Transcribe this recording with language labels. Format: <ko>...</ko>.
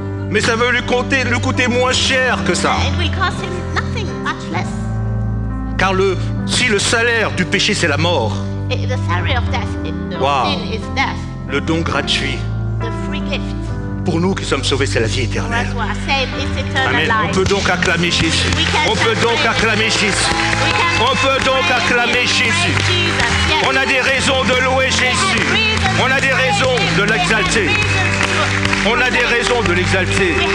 <fr>Mais ça veut lui coûter moins cher que ça.</fr> <en>It will cost him nothing, much less.</en> <fr>Car le salaire du péché, c'est la mort.</fr> <en>The salary of death, is death.</en> <fr>Le don gratuit.</fr> <en>The free gift.</en> <fr>Pour nous qui sommes sauvés, c'est la vie éternelle. Amen. On peut donc acclamer Jésus. On peut donc acclamer Jésus. On peut donc acclamer Jésus. On a des raisons de louer Jésus. On a des raisons de l'exalter. On a des raisons de l'exalter.</fr>